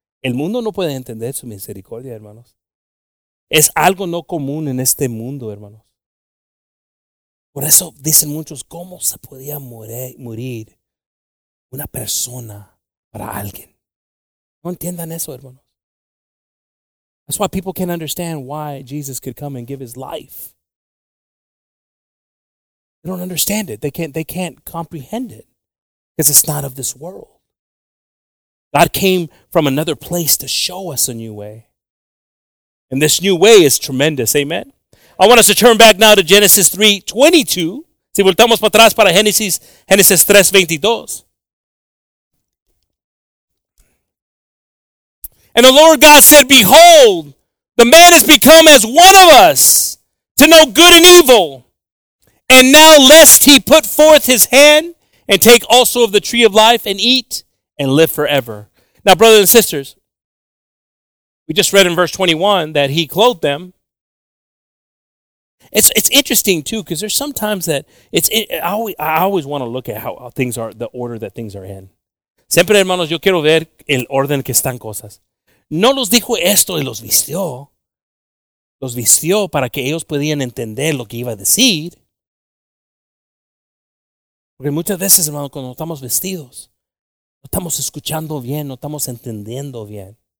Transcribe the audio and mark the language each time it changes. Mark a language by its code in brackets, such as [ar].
[es] El mundo no puede entender su misericordia, hermanos. Es algo no común en este mundo, hermanos. Por eso dicen muchos, ¿cómo se podía morir una persona para alguien? No entiendan eso, hermanos. [en] That's why people can't understand why Jesus could come and give his life. They don't understand it. They can't comprehend it. Because it's not of this world. God came from another place to show us a new way. And this new way is tremendous. Amen? I want us to turn back now to Genesis 3:22. Si voltamos para atrás para Genesis 3:22. And the Lord God said, behold, the man has become as one of us to know good and evil. And now lest he put forth his hand and take also of the tree of life and eat and live forever. Now, brothers and sisters, we just read in verse 21 that he clothed them. It's interesting, too, because there's sometimes that I always want to look at how things are, the order that things are in. [es] Siempre, hermanos, yo quiero ver el orden que están cosas. No los dijo esto y los vistió. Los vistió para que ellos podían entender lo que iba a decir. Porque muchas veces, hermanos, cuando estamos vestidos, no estamos escuchando bien, no estamos entendiendo bien.